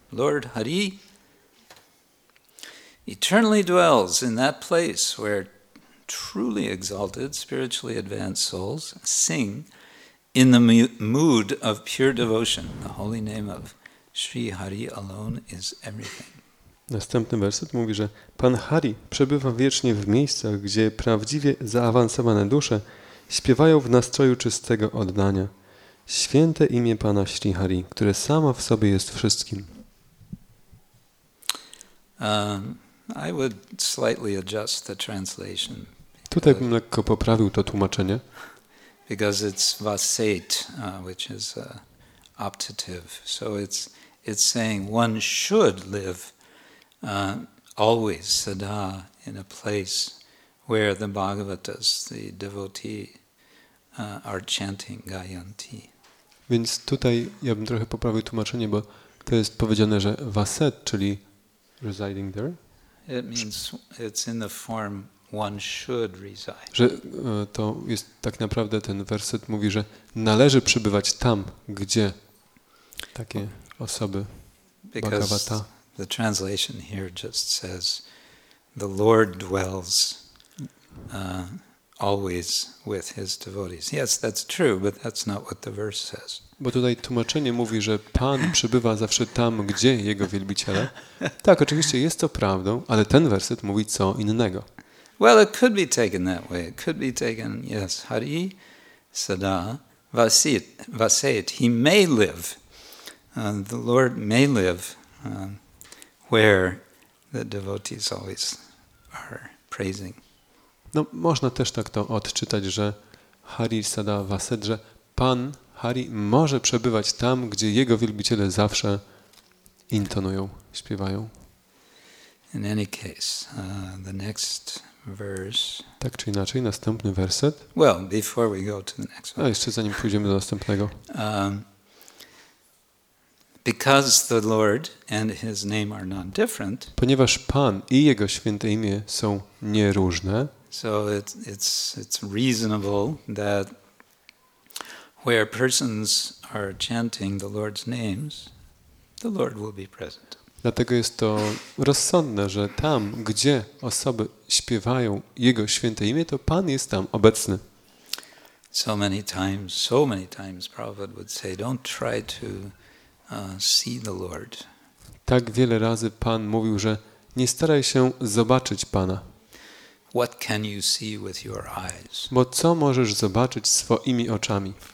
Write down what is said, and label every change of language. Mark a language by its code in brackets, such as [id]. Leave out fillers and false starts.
[en] Lord Hari eternally dwells in that place where truly exalted, spiritually advanced souls sing in the mood of pure devotion. The holy name of Sri Hari alone is everything. [pl] Następny werset mówi, że Pan Hari przebywa wiecznie w miejscach, gdzie prawdziwie zaawansowane dusze śpiewają w nastroju czystego oddania. Święte imię Pana Sri Hari, które samo w sobie jest wszystkim. [en] I would slightly adjust the translation. [pl] Tutaj bym lekko poprawił to tłumaczenie. [en] Because it's vaset, which is optative. So it's saying one should live always, sada, in a place where the Bhagavatas, the devotee, are chanting gayanti. [pl] Więc tutaj ja bym trochę poprawił tłumaczenie, bo to jest powiedziane, że vaset, czyli [en] residing there. It means it's in the form one should reside. [pl] Że to jest tak naprawdę ten werset mówi, że należy przebywać tam, gdzie takie osoby Bhagavata. [en] The translation here just says the Lord dwells always with his devotees. Yes, that's true, but that's not what the verse says. [pl] Bo tutaj tłumaczenie mówi, że Pan przybywa zawsze tam, gdzie jego wielbiciele. Tak, oczywiście jest to prawdą, ale ten werset mówi co innego. [en] Well, it could be taken that way. It could be taken, yes, Hari sada vaseit. He may live. The Lord may live where the devotees always are praising. [pl] No, można też tak to odczytać, że Hari sada vaseit, że Pan Hari może przebywać tam, gdzie jego wielbiciele zawsze intonują, śpiewają. [en] In any case, the next verse. [pl] Tak czy inaczej, następny werset. [en] Well, before we go to the next one. [pl] A jeszcze zanim pójdziemy do następnego. [en] Because the Lord and his name are not different. [pl] Ponieważ Pan i jego święte imię są nieróżne. [en] So it's reasonable that where persons are chanting the Lord's names, the Lord will be present. [pl] Dlatego jest to rozsądne, że tam, gdzie osoby śpiewają Jego święte imię, to Pan jest tam obecny. [en] So many times Prabhupada would say, don't try to see the Lord. [pl] Tak wiele razy Pan mówił, że nie staraj się zobaczyć Pana. [en] What can you see with your eyes? [pl] Bo co możesz zobaczyć swoimi oczami?